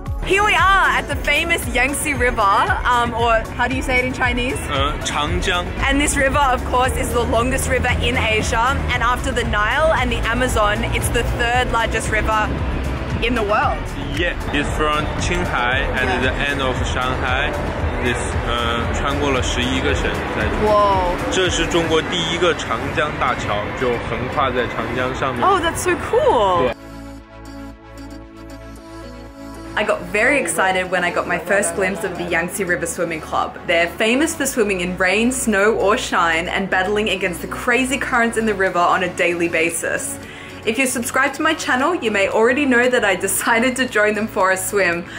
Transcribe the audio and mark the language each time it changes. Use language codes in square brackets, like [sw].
[en] Here we are at the famous Yangtze River, or how do you say it in Chinese? [zh] 长江. [en] And this river, of course, is the longest river in Asia. And after the Nile and the Amazon, it's the third largest river in the world. Yeah, it's from Qinghai at the end of Shanghai. This, [zh] 穿过了11个省在这。哇。这是中国第一个长江大桥，就横跨在长江上面。 [en] Oh, that's so cool. Yeah. I got very excited when I got my first glimpse of the Yangtze River Swimming Club. They're famous for swimming in rain, snow, or shine, and battling against the crazy currents in the river on a daily basis. If you're subscribed to my channel, you may already know that I decided to join them for a swim.